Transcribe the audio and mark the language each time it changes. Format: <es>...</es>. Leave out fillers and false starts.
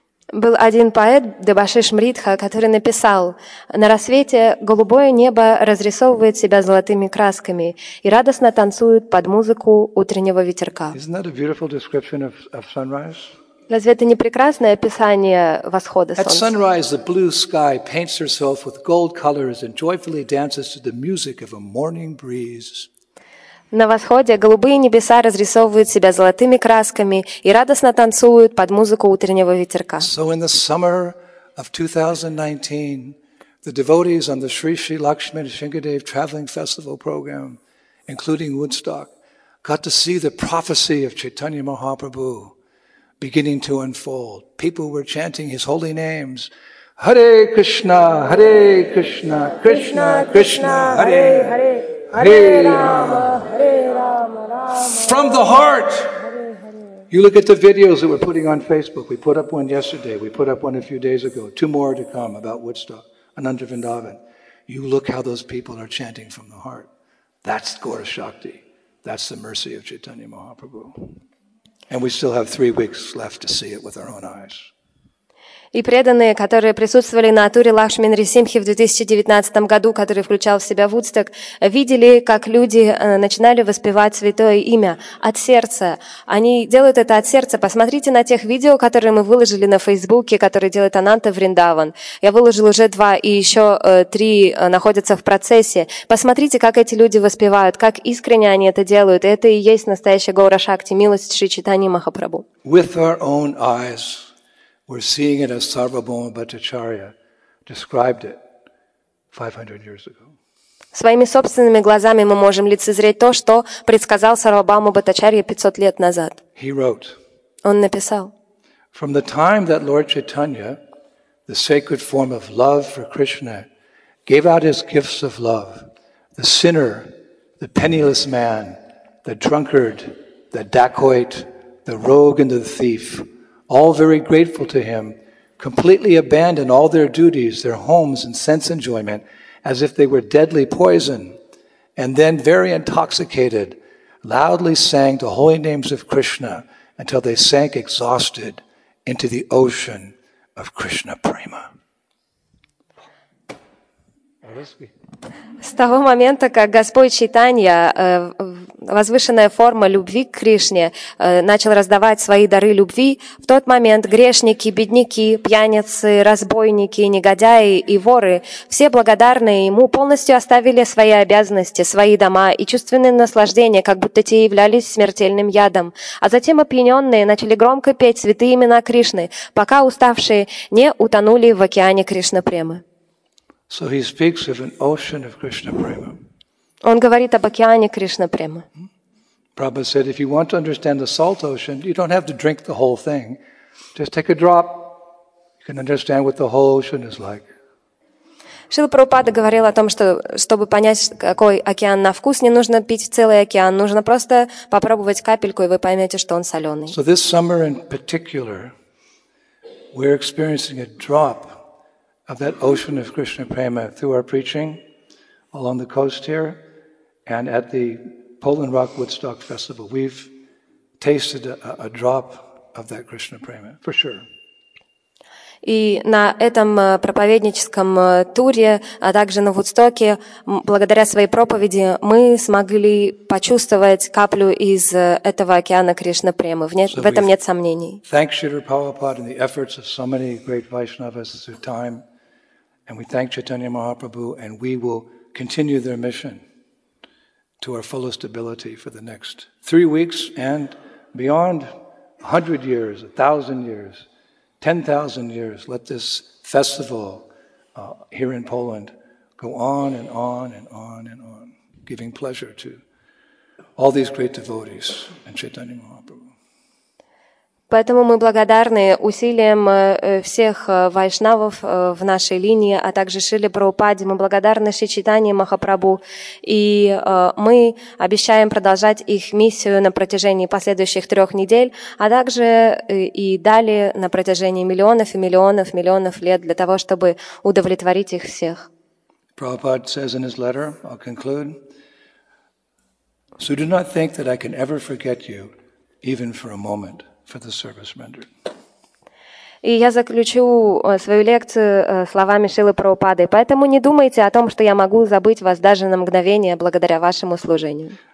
<ru>Был один поэт, Дебашиш Мритха, который написал: «На рассвете голубое небо разрисовывает себя золотыми красками и радостно танцует под музыку утреннего ветерка».</ru> <en>Isn't that a beautiful description of sunrise?</en> <ru>Разве это не прекрасное описание восхода солнца?</ru> <en>At sunrise, the blue sky paints herself with gold colors and joyfully dances to the music of a morning breeze.</en> <ru>На восходе голубые небеса разрисовывают себя золотыми красками и радостно танцуют под музыку утреннего ветерка.</ru> <en>So in the summer of 2019, the devotees on the Sri Sri Lakshmana Shingadev traveling festival program, including Woodstock, got to see the prophecy of Chaitanya Mahaprabhu beginning to unfold. People were chanting his holy names, Hare Krishna, Hare Krishna, Krishna Krishna, Hare Hare. Hare Rama, Hare Rama, Rama Rama. From the heart. You look at the videos that we're putting on Facebook. We put up one yesterday. We put up one a few days ago. Two more to come about Woodstock, Ananda Vrindavan. You look how those people are chanting from the heart. That's Gaura Shakti. That's the mercy of Chaitanya Mahaprabhu. And we still have 3 weeks left to see it with our own eyes.</en> <ru>И преданные, которые присутствовали на туре Лакшминдрисимхи в 2019 году, который включал в себя Вудсток, видели, как люди начинали воспевать святое имя от сердца. Они делают это от сердца. Посмотрите на тех видео, которые мы выложили на Фейсбуке, которые делает Ананта Вриндаван. Я выложил уже 2, и еще 3 находятся в процессе. Посмотрите, как эти люди воспевают, как искренне они это делают. Это и есть настоящая Гаура Шакти, милость Шри Чайтаньи Махапрабху.</ru> <en>With our own eyes. We're seeing it as Sarvabhauma Bhattacharya described it 500 years ago.</en> <ru>Своими собственными глазами мы можем лицезреть то, что предсказал Сарвабхаума Бхаттачарья 500 лет назад.</ru> <en>He wrote.</en> <ru>Он написал.</ru> <en>From the time that Lord Chaitanya, the sacred form of love for Krishna, gave out his gifts of love, the sinner, the penniless man, the drunkard, the dacoit, the rogue and the thief, all very grateful to him, completely abandon all their duties, their homes and sense enjoyment, as if they were deadly poison, and then very intoxicated, loudly sang the holy names of Krishna until they sank exhausted into the ocean of Krishna Prema.</en> <ru>С того момента, как Господь Чайтанья, возвышенная форма любви к Кришне, начал раздавать свои дары любви, в тот момент грешники, бедняки, пьяницы, разбойники, негодяи и воры, все благодарные ему, полностью оставили свои обязанности, свои дома и чувственные наслаждения, как будто те являлись смертельным ядом. А затем опьяненные начали громко петь святые имена Кришны, пока уставшие не утонули в океане Кришнапремы.</ru> <en>So he speaks of an ocean of Krishna prema.</en> <ru>Он говорит об океане Кришна према.</ru> <en>Prabhupada said, if you want to understand the salt ocean, you don't have to drink the whole thing. Just take a drop. You can understand what the whole ocean is like.</en> <ru>Шрила Прабхупада говорил о том, что чтобы понять, какой океан на вкус, не нужно пить целый океан, нужно просто попробовать капельку, и вы поймете, что он соленый.</ru> <en>So this summer in particular, we're experiencing a drop of that ocean of Krishna prema through our preaching along the coast here and at the Poland Rock Woodstock Festival. We've tasted a drop of that Krishna prema, for sure.</en> <ru>И на этом проповедническом туре, а также на Вудстоке, благодаря своей проповеди, мы смогли почувствовать каплю из этого океана Кришна премы. В этом нет сомнений.</ru> <en>Thank Srila Prabhupada and the efforts of so many great Vaishnavas through time. And we thank Chaitanya Mahaprabhu, and we will continue their mission to our fullest ability for the next 3 weeks and beyond 100 years, 1,000 years, 10,000 years. Let this festival here in Poland go on and on and on and on, giving pleasure to all these great devotees and Chaitanya Mahaprabhu.</en> <ru>Поэтому мы благодарны усилиям всех вайшнавов в нашей линии, а также Шриле Прабхупаде. Мы благодарны Шри Чайтанье Махапрабху. И мы обещаем продолжать их миссию на протяжении последующих 3 недель, а также и далее на протяжении миллионов и миллионов и миллионов лет для того, чтобы удовлетворить их всех.</ru> <en>Prabhupada says in his letter, I'll conclude, so do not think that I can ever forget you, even for a moment. For the service rendered.</en> <ru>И я заключу свою лекцию словами Шрилы Прабхупады. Поэтому не думайте о том, что я могу забыть вас даже на мгновение благодаря вашему служению.</ru>